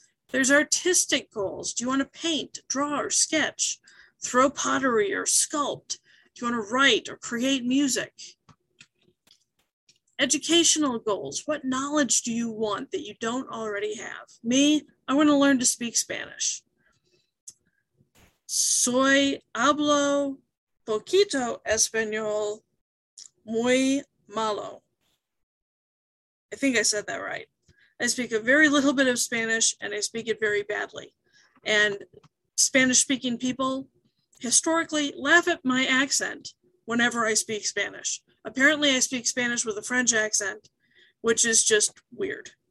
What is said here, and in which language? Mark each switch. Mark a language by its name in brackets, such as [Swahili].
[English] There's artistic goals. Do you want to paint, draw, or sketch? Throw pottery or sculpt? Do you want to write or create music? Educational goals. What knowledge do you want that you don't already have? Me, I want to learn to speak Spanish. [Spanish] Soy hablo poquito español, muy malo. [English] I think I said that right. I speak a very little bit of Spanish, and I speak it very badly. And Spanish-speaking people historically laugh at my accent whenever I speak Spanish. Apparently, I speak Spanish with a French accent, which is just weird.